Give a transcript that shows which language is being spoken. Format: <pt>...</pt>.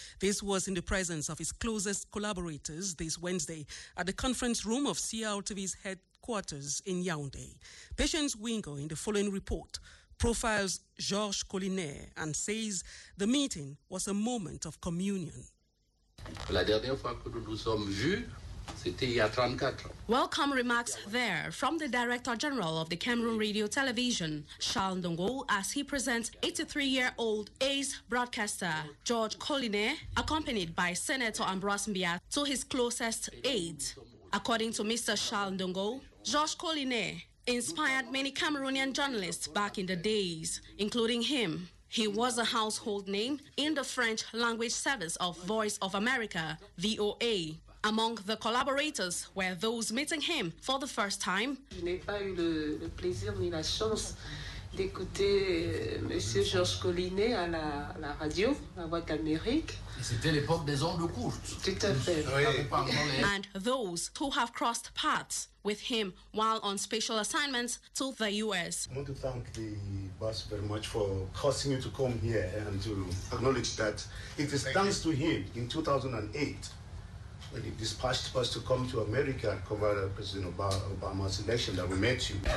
<en>This was in the presence of his closest collaborators this Wednesday at the conference room of CRTV's headquarters in Yaoundé. Patience Wingo, in the following report, profiles Georges Collinet and says the meeting was a moment of communion.</en> <fr>La dernière fois que nous nous sommes vus, c'était il y a 34 ans.</fr> <en>Welcome remarks there from the Director General of the Cameroon Radio Television, Charles Ndongo, as he presents 83-year-old ace broadcaster Georges Collinet, accompanied by Senator Ambroise Mbia, to his closest aide. According to Mr. Charles Ndongo, Georges Collinet inspired many Cameroonian journalists back in the days, including him. He was a household name in the French language service of Voice of America, VOA. Among the collaborators were those meeting him for the first time.</en> <fr>Je n'ai pas eu le plaisir ni la chance d'écouter Monsieur Georges Collinet à la radio, la Voix d'Amérique. C'était l'époque des ondes courtes. Tout à fait.</fr> <en>And those who have crossed paths with him while on special assignments to the U.S. I want to thank the boss very much for causing you to come here and to acknowledge that it is thanks to him in 2008 when he dispatched us to come to America and cover President Obama's election that we met you.</en>